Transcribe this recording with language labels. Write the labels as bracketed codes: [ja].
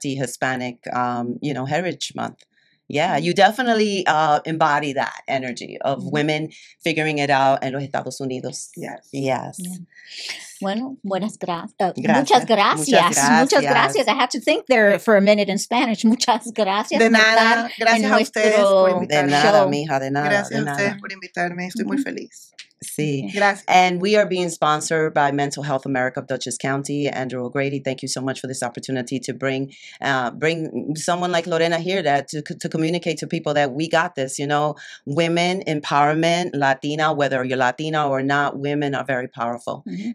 [en] The Hispanic, Heritage Month. Yeah, you definitely embody that energy of women figuring it out [es] en los Estados Unidos. [en] Yes. Yes. Yeah. [es] Bueno, buenas gracias. Muchas gracias. Muchas gracias. [en] I have to think there for a minute in Spanish. [es] Muchas gracias. De nada. Gracias a ustedes por invitarme. De nada, mija. De nada. Gracias a ustedes por invitarme. Estoy muy feliz. Sí. Gracias. [en] And we are being sponsored by Mental Health America of Dutchess County. Andrew O'Grady, thank you so much for this opportunity to bring someone like Lorena here that to communicate to people that we got this. You know, women empowerment, Latina, whether you're Latina or not, women are very powerful. Mm-hmm.